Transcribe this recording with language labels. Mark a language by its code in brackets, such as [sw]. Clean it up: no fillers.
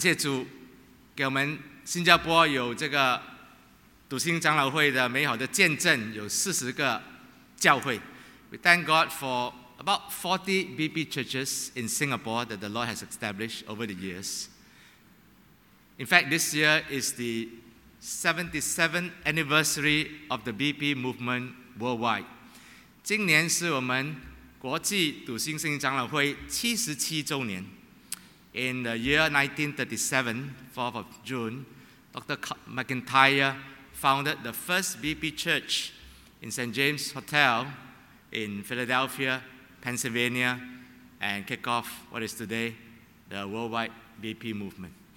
[zh] 我们马拉纳达圣经长老会是东北的东部的这个教会。如果再过一点点，就是我们樟宜海边了。感谢主，给我们新加坡有这个 笃信长老会的美好的见证，有40个教会。 [en] We thank God for about 40 BB churches in Singapore that the Lord has established over the years. In fact, this year is the 77th anniversary of the BB movement worldwide. [zh] 今年是我们国际笃信圣经长老会77周年。 [en] In the year 1937, 4th of June, Dr. McIntyre founded the first BB church in St. James Hotel in Philadelphia, Pennsylvania, and kick off what is today the worldwide BP movement.